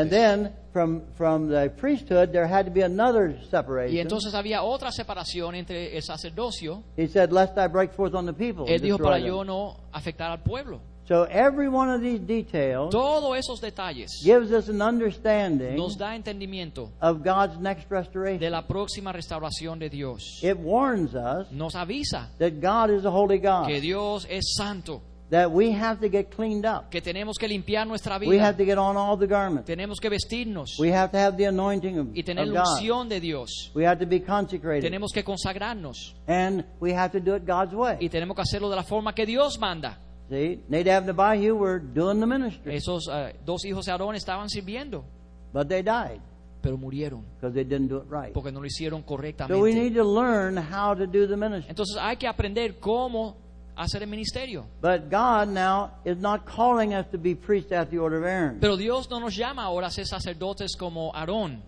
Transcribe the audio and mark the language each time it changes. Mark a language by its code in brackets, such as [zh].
[en] And then from the priesthood there had to be another separation. [es] Y entonces había otra separación entre el sacerdocio. [en] He said, lest I break forth on the people. [es] Él dijo, para [en] them. [es] Yo no afectar al pueblo. [en] So every one of these details, [es] todos esos detalles, [en] gives us an understanding, [es] nos da entendimiento, [en] of God's next restoration, [es] de la próxima restauración de Dios. [en] It warns us, [es] nos avisa, [en] that God is a holy God, [es] que Dios es santo, [en] that we have to get cleaned up, [es] que tenemos que limpiar nuestra vida, [en] we have to get on all the garments, [es] tenemos que vestirnos, [en] we have to have the anointing of God, [es] y tener la unción de Dios, [en] we have to be consecrated, [es] tenemos que consagrarnos, [en] and we have to do it God's way, [es] y tenemos que hacerlo de la forma que Dios manda. [en] See, Nadab and Abihu were doing the ministry. [es] Esos dos hijos de Aarón estaban sirviendo. [en] But they died. [es] Pero murieron. [en] Because they didn't do it right. [es] Porque no lo hicieron correctamente. [en] So we need to learn how to do the ministry. [es] Entonces hay que aprender cómo hacer el ministerio. [en] But God now is not calling us to be priests at the order of Aaron. [es] Pero Dios no nos llama ahora a ser sacerdotes como Aarón.